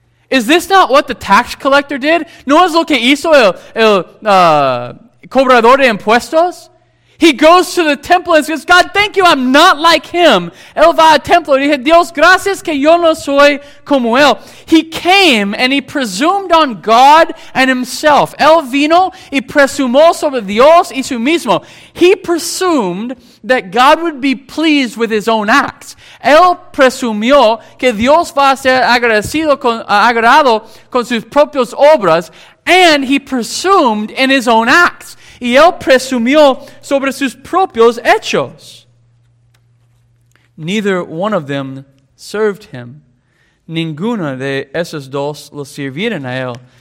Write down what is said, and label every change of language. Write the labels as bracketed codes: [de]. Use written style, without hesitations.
[en] Is this not what the tax collector did? [es] No es lo que hizo el cobrador de impuestos? [en] He goes to the temple and says, God, thank you, I'm not like him. [es] Él va al templo y dice, Dios, gracias que yo no soy como él. [en] He came and he presumed on God and himself. [es] Él vino y presumó sobre Dios y su mismo. [en] He presumed that God would be pleased with his own acts. [es] Él presumió que Dios va a ser agradado con sus propias obras. [en] And he presumed in his own acts. [es] Y él presumió sobre sus propios hechos. [en] Neither one of them served him. [es] Ninguna de esos dos lo sirvieron a él.